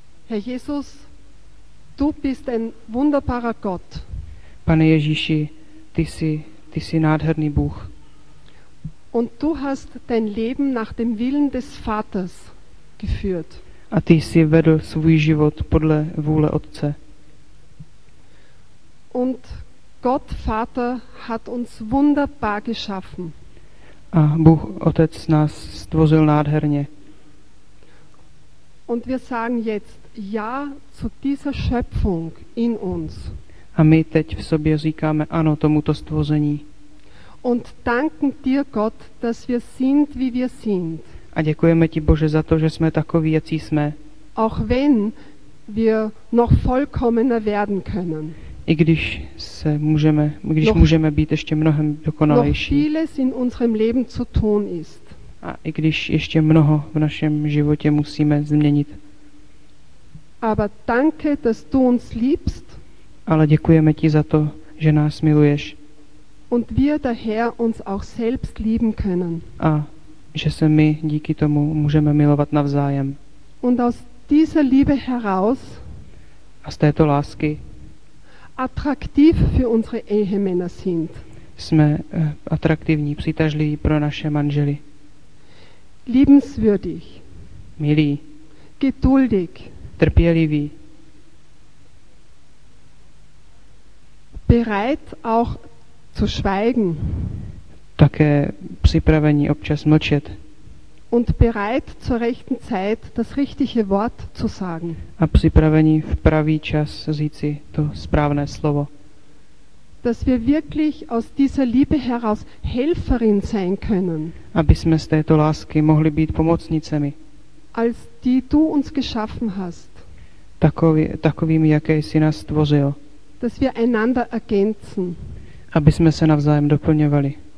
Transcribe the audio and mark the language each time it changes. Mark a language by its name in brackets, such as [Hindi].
[German] Herr Jesus, du bist ein wunderbarer Gott. [Czech] Pane Ježíši, ty jsi nádherný Bůh. [German] Und du hast dein Leben nach dem Willen des Vaters geführt. [Czech] A ty jsi vedl svůj život podle vůle Otce. [German] Und Gott Vater hat uns wunderbar geschaffen. [Czech] A Bůh Otec nás stvořil nádherně. [German] Und wir sagen jetzt ja zu dieser Schöpfung in uns. [Czech] A my teď v sobě říkáme ano tomuto stvoření. [German] Und danken dir Gott, dass wir sind, wie wir sind. [Czech] A děkujeme ti Bože za to, že jsme takoví, jací jsme. [German] Auch wenn wir noch vollkommener werden können. [Czech] I když se můžeme, když [German] noch, [Czech] můžeme být ještě mnohem dokonalejší. [German] Noch vieles in unserem Leben zu tun ist. [Czech] A i když ještě mnoho v našem životě musíme změnit. [German] Aber danke, dass du uns liebst. [Czech] Ale děkujeme ti za to, že nás miluješ. [German] Und wir daher uns auch selbst lieben können. [Czech] A že se my díky tomu můžeme milovat navzájem. [German] Und aus dieser Liebe heraus [Czech] a z této lásky [German] attraktiv für unsere Ehemänner sind. [Czech] Jsme atraktivní, přitažliví pro naše manžely. [German] Liebenswürdig. [Czech] Milí. [German] Geduldig. [Czech] Trpělivý. [German] Bereit auch zu schweigen. [Czech] Také připravení občas mlčet. [German] Und bereit zur rechten Zeit das richtige Wort zu sagen. [Czech] A připravení v pravý čas říci to správné slovo. [German] Dass wir wirklich aus dieser Liebe heraus Helferin sein können. [Czech] Aby jsme z této lásky mohli být pomocnicemi. [German] Als die du uns geschaffen hast. [Czech] Takovými, jaké jsi nás stvořil. [German] Dass wir einander ergänzen. [Czech] Aby jsme se navzájem doplňovali.